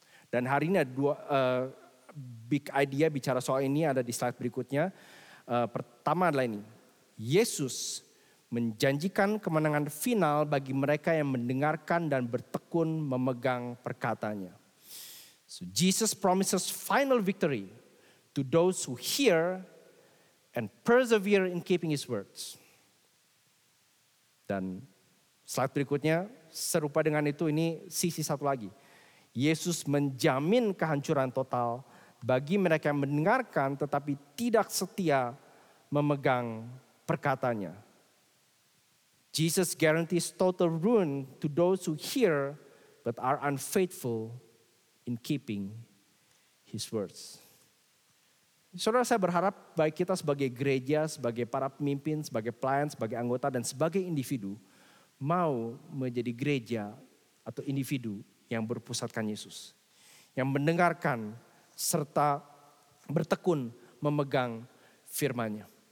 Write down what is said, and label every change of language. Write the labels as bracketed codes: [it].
[id] Dan hari ini ada dua big idea bicara soal ini ada di slide berikutnya. Pertama adalah ini, Yesus menjanjikan kemenangan final bagi mereka yang mendengarkan dan bertekun memegang perkatanya. [en] So, Jesus promises final victory to those who hear and persevere in keeping his words. [id] Dan slide berikutnya serupa dengan itu, ini sisi satu lagi. Yesus menjamin kehancuran total bagi mereka yang mendengarkan tetapi tidak setia memegang perkatanya. [en] Jesus guarantees total ruin to those who hear but are unfaithful in keeping his words. [id] Saudara, saya berharap baik kita sebagai gereja, sebagai para pemimpin, sebagai pelayan, sebagai anggota, dan sebagai individu mau menjadi gereja atau individu yang berpusatkan Yesus. Yang mendengarkan serta bertekun memegang firman-Nya.